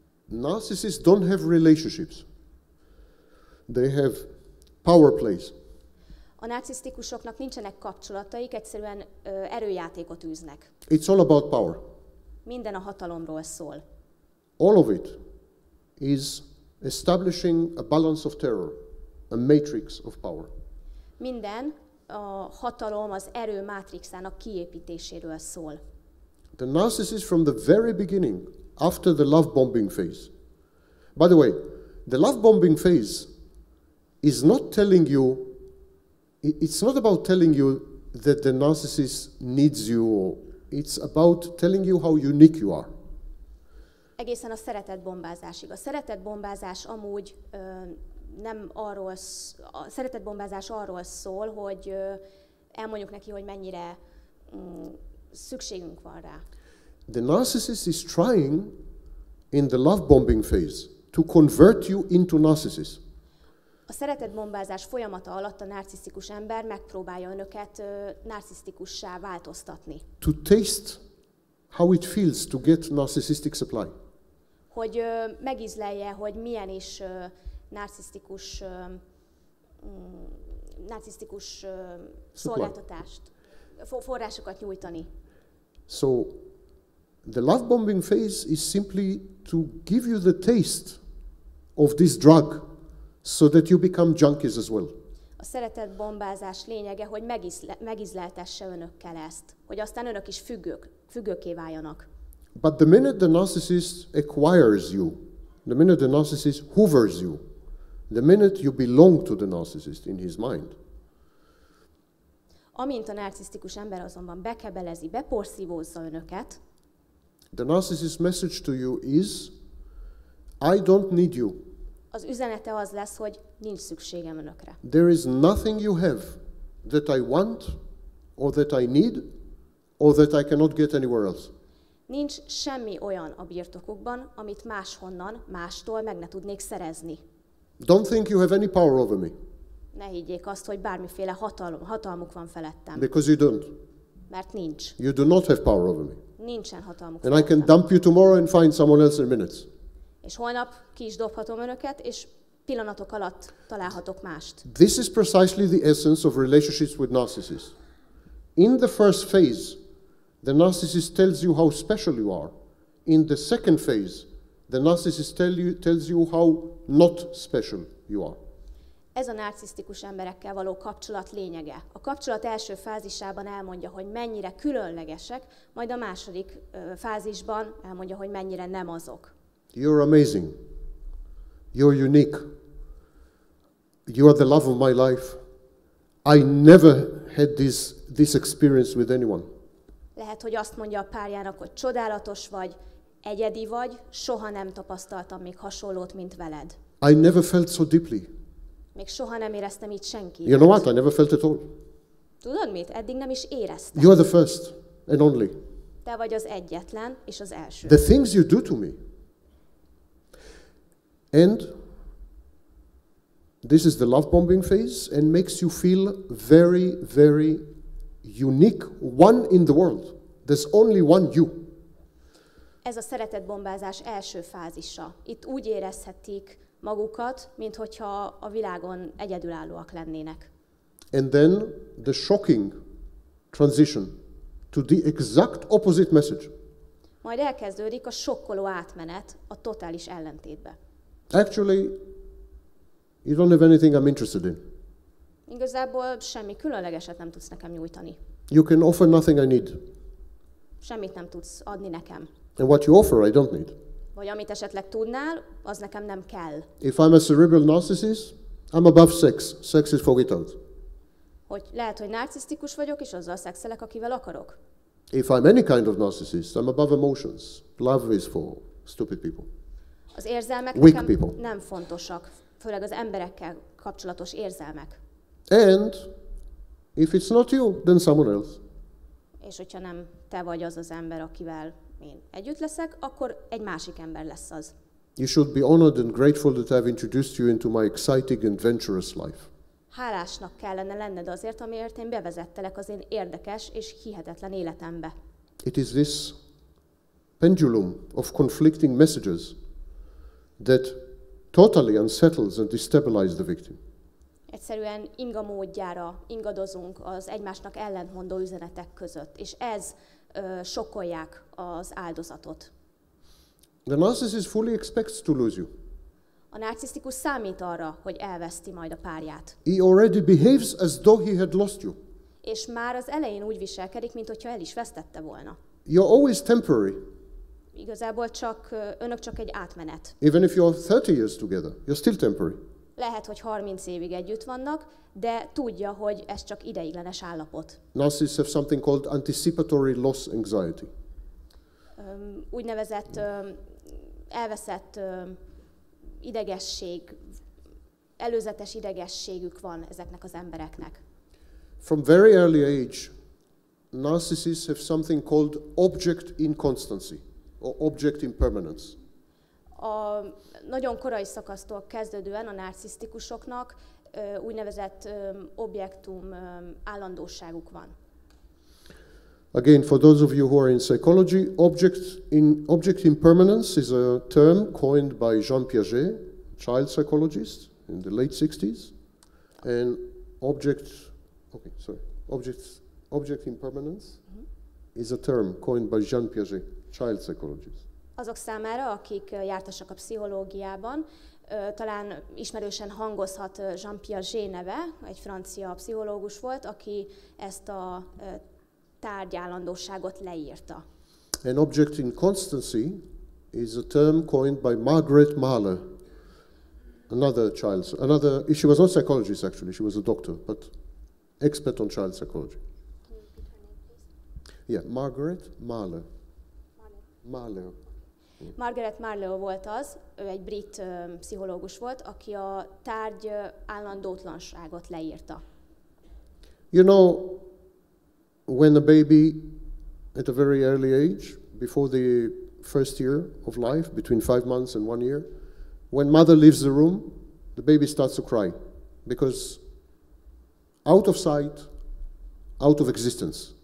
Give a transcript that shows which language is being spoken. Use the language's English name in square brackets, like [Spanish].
[English] Narcissists don't have relationships. They have power plays. [Hungarian] A narcisztikusoknak nincsenek kapcsolataik, egyszerűen erőjátékot űznek. [English] It's all about power. [Hungarian] Minden a hatalomról szól. [English] All of it is establishing a balance of terror, a matrix of power. [Hungarian] Minden a hatalom, az erő mátrixának kiépítéséről szól. [English] The narcissist from the very beginning, after the love bombing phase. By the way, the love bombing phase is not telling you, it's not about telling you that the narcissist needs you, or it's about telling you how unique you are. [Hungarian] Egészen a szeretet bombázásig. A szeretet bombázás amúgy nem arról, a szeretet bombázás arról szól, hogy elmondjuk neki, hogy mennyire szükségünk van rá. [English] The narcissist is trying in the love bombing phase to convert you into narcissist. [Hungarian] A szeretet bombázás folyamata alatt a narcisztikus ember megpróbálja önöket narcisztikussá változtatni. [English] To taste how it feels to get narcissistic supply. [Hungarian] Hogy megízlelje, hogy milyen is narcisztikus szolgáltatást, forrásokat nyújtani. [English] So the love bombing phase is simply to give you the taste of this drug, so that you become junkies as well. [Hungarian] A szeretet bombázás lényege, hogy megízleltesse önökkel ezt, hogy aztán önök is függőké váljanak. [English] But the minute the narcissist acquires you, the minute the narcissist hoovers you, the minute you belong to the narcissist in his mind. [Hungarian] Amint a narcisztikus ember azonban bekebelezi, beporszívózza önöket. [English] The narcissist's message to you is, I don't need you. [Hungarian] Az üzenete az lesz, hogy nincs szükségem önökre. [English] There is nothing you have that I want, or that I need, or that I cannot get anywhere else. [Hungarian] Nincs semmi olyan a birtokukban, amit máshonnan, mástól meg ne tudnék szerezni. [English] Don't think you have any power over me. [Hungarian] Ne higgyék azt, hogy bármiféle hatalmuk van felettem. [English] Because you don't. [Hungarian] Mert nincs. [English] You do not have power over me. [Hungarian] Nincsen hatalmuk. [English] And I can dump you tomorrow and find someone else in minutes. [Hungarian] És holnap ki is dobhatom önöket, és pillanatok alatt találhatok mást. [English] This is precisely the essence of relationships with narcissists. In the first phase, the narcissist tells you how special you are. In the second phase, the narcissist tells you how not special you are. [Hungarian] Ez a narcisztikus emberekkel való kapcsolat lényege. A kapcsolat első fázisában elmondja, hogy mennyire különlegesek, majd a második fázisban elmondja, hogy mennyire nem azok. [English] You're amazing. You're unique. You are the love of my life. I never had this experience with anyone. [Hungarian] Lehet, hogy azt mondja a párjának, hogy csodálatos vagy, egyedi vagy, soha nem tapasztaltam még hasonlót, mint veled. [English] I never felt so deeply. [Hungarian] Még soha nem éreztem így senkit. [English] You know what? I never felt at all. [Hungarian] Tudod mit? Eddig nem is éreztem. [English] You are the first and only. [Hungarian] Te vagy az egyetlen és az első. [English] The things you do to me. And this is the love bombing phase and makes you feel very, very unique, one in the world. There's only one you. [Hungarian] Ez a szeretetbombázás első fázisa. Itt úgy érezhetik magukat, mint hogyha a világon egyedülállóak lennének. [English] And then the shocking transition to the exact opposite message. [Hungarian] Majd elkezdődik a sokkoló átmenet a totális ellentétbe. [English] Actually, you don't have anything I'm interested in. [Hungarian] Igazából semmi különlegeset nem tudsz nekem nyújtani. [English] You can offer nothing I need. [Hungarian] Semmit nem tudsz adni nekem. [English] And what you offer, I don't need. [Hungarian] Vagy amit esetleg tudnál, az nekem nem kell. [English] If I'm a cerebral narcissist, I'm above sex. Sex is for without. [Hungarian] Hogy lehet, hogy narcisztikus vagyok, és azzal szexelek, akivel akarok. [English] If I'm any kind of narcissist, I'm above emotions. Love is for stupid people. [Hungarian] Az érzelmek [English] weak [Hungarian] nekem [English] people. [Hungarian] Nem fontosak, főleg az emberekkel kapcsolatos érzelmek. [English] And if it's not you, then someone else. [Hungarian] És hogyha nem te vagy az az ember, akivel én együtt leszek, akkor egy másik ember lesz az. [English] You should be honored and grateful that I've introduced you into my exciting and adventurous life. [Hungarian] Hálásnak kellene lenned azért, amiért én bevezettelek az én érdekes és hihetetlen életembe. [English] It is this pendulum of conflicting messages that totally unsettles and destabilizes the victim. [Hungarian] Egyszerűen inga módjára ingadozunk az egymásnak ellentmondó üzenetek között, és ez sokkolják az áldozatot. [English] The narcissist fully expects to lose you. [Hungarian] A narcisztikus számít arra, hogy elveszti majd a párját. [English] He already behaves as though he had lost you. [Hungarian] És már az elején úgy viselkedik, mint hogyha el is vesztette volna. [English] You're always temporary. [Hungarian] Igazából csak önök csak egy átmenet. [English] Even if you're 30 years together, you're still temporary. [Hungarian] Lehet, hogy 30 évig együtt vannak, de tudja, hogy ez csak ideiglenes állapot. [English] Narcissists have something called anticipatory loss anxiety. [Hungarian] Úgynevezett elveszett idegesség, előzetes idegességük van ezeknek az embereknek. [English] From very early age, narcissists have something called object inconstancy, or object impermanence. [Hungarian] A nagyon korai szakasztól kezdődően a narcisztikusoknak úgynevezett objektum állandóságuk van. [English] Again, for those of you who are in psychology, object impermanence is a term coined by Jean Piaget, child psychologist in the late 60s. And object impermanence is a term coined by Jean Piaget, child psychologist. [Hungarian] Azok számára, akik jártasak a pszichológiában, talán ismerősen hangozhat Jean Piaget neve, egy francia pszichológus volt, aki ezt a tárgyállandóságot leírta. [English] An object inconstancy is a term coined by Margaret Mahler, another she was not a psychologist actually, she was a doctor, but expert on child psychology. Can you repeat her name, please? Yeah, Margaret Mahler. [Hungarian] Margaret Marlowe volt az, ő egy brit pszichológus volt, aki a tárgy állandótlanságot leírta. [English] You know, when a baby at a very early age, before the first year of life, between 5 months and 1 year, when mother leaves the room, the baby starts to cry, because out of sight, out of existence.